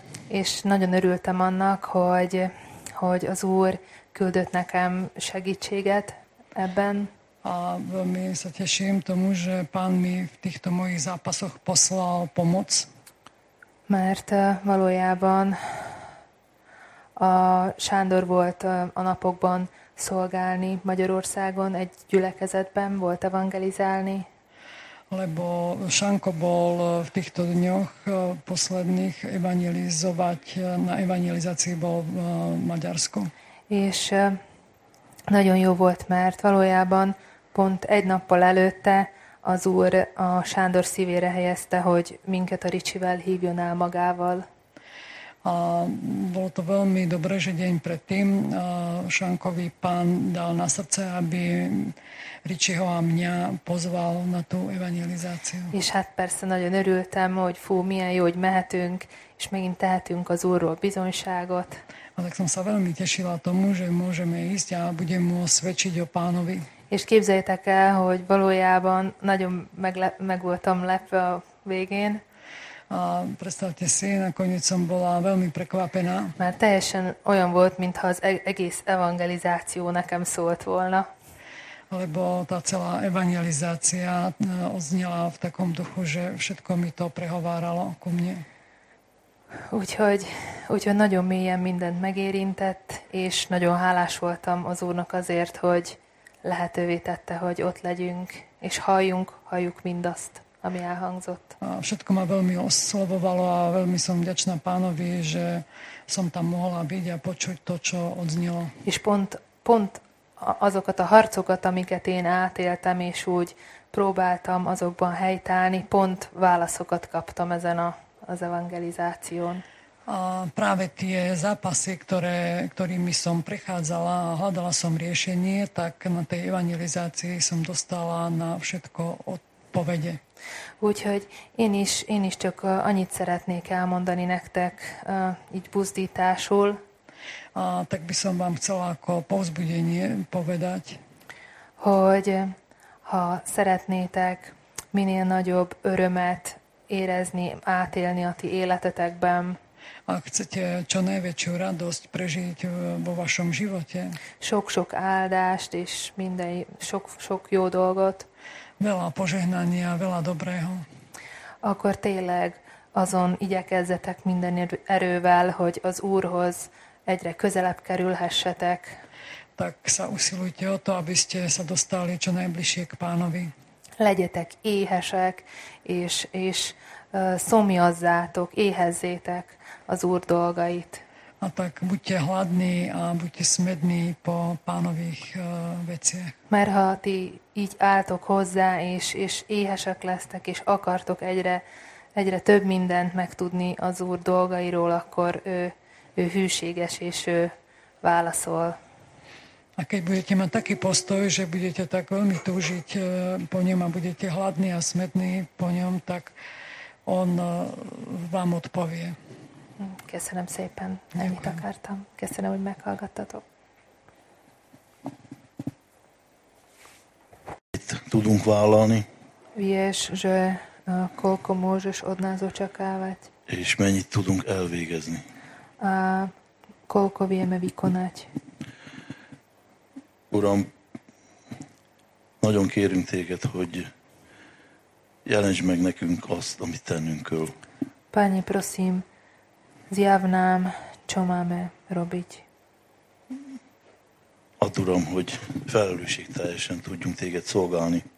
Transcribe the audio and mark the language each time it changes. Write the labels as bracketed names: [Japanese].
[Hungarian] És nagyon örültem annak, hogy az Úr küldött nekem segítséget ebben. [Slovak] A veľmi sa teším tomu, že Pán mi v týchto mojich zápasoch poslal pomoc. [Hungarian] Mert valójában a Sándor volt a napokban szolgálni Magyarországon, egy gyülekezetben volt evangelizálni. [Slovak] Lebo Šanko bol v týchto dňoch posledných evangelizovať, na evangelizácii bol v Maďarsku. [Hungarian] És nagyon jó volt, mert valójában pont egy nappal előtte az Úr a Sándor szívére helyezte, hogy minket a Ricsivel hívjon el magával. [Slovak] A bolo to veľmi dobré, že deň predtým Šankový pán dal na srdce, aby Ričiho a mňa pozval na tú evangelizáciu. [Hungarian] És hát persze nagyon örültem, hogy fú, milyen jó, hogy mehetünk, és megint tehetünk az Úrról bizonyságot. [Slovak] A tak som sa veľmi tešila tomu, že môžeme ísť a budem mu osvedčiť o Pánovi. [Hungarian] És képzeljétek el, hogy valójában nagyon meg voltam lepve a végén. [Slovak] A predstavte si, nakoniec som bola veľmi prekvapená. [Hungarian] Mert teljesen olyan volt, mintha az egész evangelizáció nekem szólt volna. [Slovak] Lebo tá celá evangelizácia odznela v takom duchu, že všetko mi to prehováralo ku mne. [Hungarian] Úgyhogy nagyon mélyen mindent megérintett, és nagyon hálás voltam az Úrnak azért, hogy lehetővé tette, hogy ott legyünk, és halljuk mindazt, ami elhangzott. [Slovak] A všetko ma veľmi oslovovalo a veľmi som vďačná Pánovi, že som tam mohla byť a počuť to, čo odznelo. [Hungarian] És pont azokat a harcokat, amiket én átéltem, és úgy próbáltam azokban helyt állni, pont válaszokat kaptam ezen az evangelizáción. [Slovak] A práve tie zápasy, ktorými som prechádzala a hľadala som riešenie, tak na tej evangelizácii som dostala na všetko povede. [Hungarian] Úgyhogy én is csak annyit szeretnék elmondani nektek, így buzdításul. [Slovak] A tak by som vám chcela ako povzbudenie povedať, [Hungarian] hogy ha szeretnétek minél nagyobb örömet érezni, átélni a ti életetekben, [Slovak] ak chcete čo najväčšiu radosť prežiť vo vašom živote, [Hungarian] sok-sok áldást és minden sok-sok jó dolgot, [Slovak] veľa požehnania, veľa dobrého, [Hungarian] akkor tényleg azon igyekezzetek minden erővel, hogy az Úrhoz egyre közelebb kerülhessetek. [Slovak] Tak sa usilujte o to, aby ste sa dostali čo najbližšie k Pánovi. [Hungarian] Legyetek éhesek, és szomjazzátok, éhezzétek az Úr dolgait. [Slovak] A tak buďte hladní a buďte smední po Pánových veciach. [Hungarian] Mert ha ti így álltok hozzá, és éhesek lesztek, és akartok egyre több mindent megtudni az Úr dolgairól, akkor ő hűséges, és ő válaszol. [Slovak] A keď budete mať taký postoj, že budete tak veľmi túžiť po ňom a budete hladní a smetní po ňom, tak on vám odpovie. [Hungarian] Köszönöm szépen, ennyit akartam. Köszönöm, hogy meghallgattatok. Itt tudunk vállalni. [Slovak] Vieš, že koľko môžeš od nás očakávať. [Hungarian] És mennyit tudunk elvégezni. [Slovak] A koľko vieme vykonať. [Hungarian] Uram, nagyon kérünk téged, hogy jelentsd meg nekünk azt, amit tennünk kell. [Slovak] Pani, prosím, zjav nám, čo máme robiť. [Hungarian] Add, Uram, hogy felelősségteljesen tudjunk téged szolgálni.